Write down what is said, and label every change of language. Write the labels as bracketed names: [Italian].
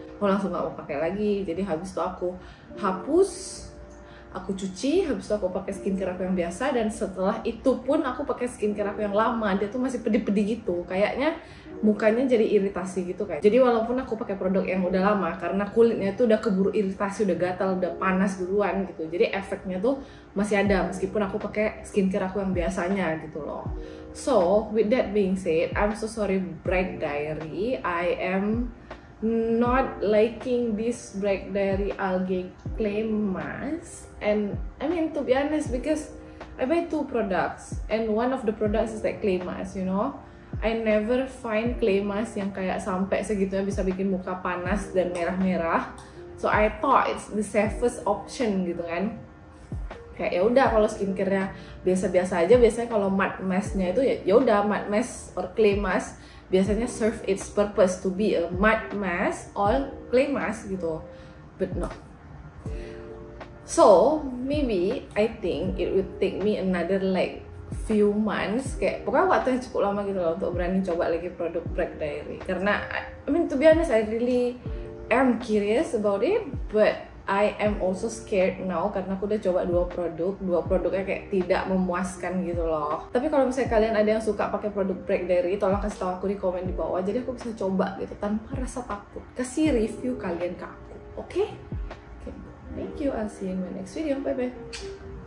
[Indonesian] Aku langsung gak mau pakai lagi. Jadi habis itu aku hapus, aku cuci, habis itu aku pakai skincare aku yang biasa dan setelah itu pun aku pakai skincare aku yang lama, dia tuh masih pedih-pedih gitu. Kayaknya mukanya jadi iritasi gitu kayak. Jadi walaupun aku pakai produk yang udah lama karena kulitnya tuh udah keburu iritasi, udah gatal, udah panas duluan gitu. Jadi efeknya tuh masih ada meskipun aku pakai skincare aku yang biasanya gitu loh. [English] So, with that being said, I'm so sorry Bright Diary. I am not liking this Bright Diary Algae Clay Mask. And I mean to be honest because I buy two products and one of the products is like clay mask, you know. I never find clay mask [Indonesian] yang kayak sampai segitunya bisa bikin muka panas dan merah-merah. [English] So I thought it's the safest option [Indonesian] gitu kan. Kayak ya udah [English] kalau skincare-nya biasa-biasa aja, biasanya kalau mud mask-nya itu ya udah mud mask or clay mask biasanya serve its purpose to be a mud mask or clay mask gitu. But no. So, maybe I think it will take me another like few months, [Indonesian] kayak pokoknya waktu yang cukup lama gitu loh untuk berani coba lagi produk Bright Diary. [English] Karena I mean to be honest, I really am curious about it, but I am also scared now [Indonesian] karena aku udah coba dua produknya kayak tidak memuaskan gitu loh. Tapi kalau misalnya kalian ada yang suka pakai produk Bright Diary, tolong kasih tahu aku di komen di bawah jadi aku bisa coba gitu tanpa rasa takut. Kasih review kalian ke aku, oke? Okay? [English] Thank you, I'll see you in my next video. Bye-bye.